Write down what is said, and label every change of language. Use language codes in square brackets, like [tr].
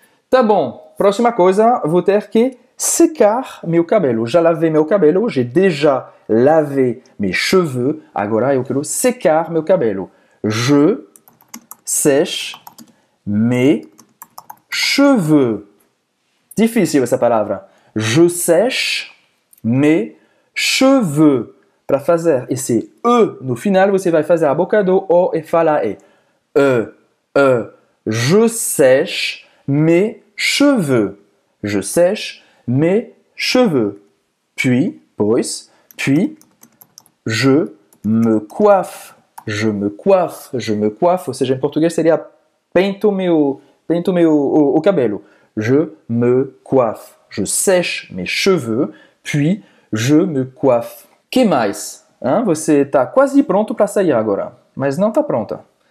[pt] Tá bom, próxima coisa, vou ter que secar meu cabelo. Já lavei meu cabelo, [fr] j'ai déjà lavé mes cheveux. [pt] Agora eu quero secar meu cabelo. [fr] Je sèche mes Cheveux. [pt] Difícil essa palavra. [fr] Je sèche mes cheveux. [pt] Para fazer esse E no final, você vai fazer a boca do O e falar E. [fr] E, E. Je sèche mes cheveux. Je sèche mes cheveux. Puis, pois, puis, je me coiffe. Je me coiffe. Je me coiffe. [pt] Ou seja, em português, seria pinto meu cabelo. [fr] Je me coiffe. Je sèche mes cheveux. Puis, je me coiffe. [pt] Que mais? [fr] Hein? [pt] Você está quase pronto para sair agora, mas não está pronta.